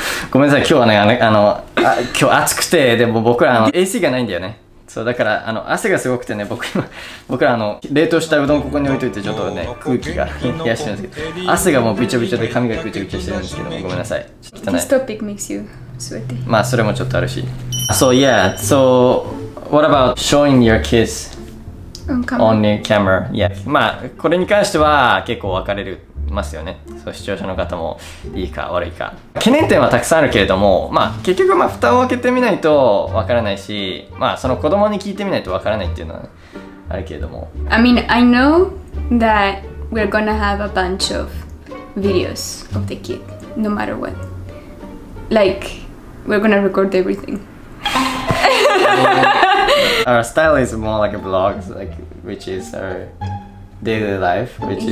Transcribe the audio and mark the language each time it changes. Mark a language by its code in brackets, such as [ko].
[ja] ごめんなさい、今日はね、今日暑くて、でも僕らAC がないんだよね。そう、だから汗がすごくてね、僕ら冷凍したうどんここに置いといて、ちょっとね、空気が冷やしてるんですけど、汗がもうびちょびちょで髪がぐちゃぐちゃしてるんですけども、ごめんなさい、ちょっと汚い。 [en] This topic makes you sweaty. [ja] まあそれもちょっとあるし。 [en] So yeah, so what about showing your kids on your camera? Yeah. [ja] まあこれに関しては結構分かれるますよね。そう、視聴者の方もいいか悪いか懸念点はたくさんあるけれども、まあ結局、まあ蓋を開けてみないとわからないし、まあその子供に聞いてみないとわからないっていうのは、ね、あるけれども、 [en] I mean, I know that we're gonna have a bunch of videos of the kid no matter what, like we're gonna record everything. Our style is more like a vlog, like which is ourDaily life, which is...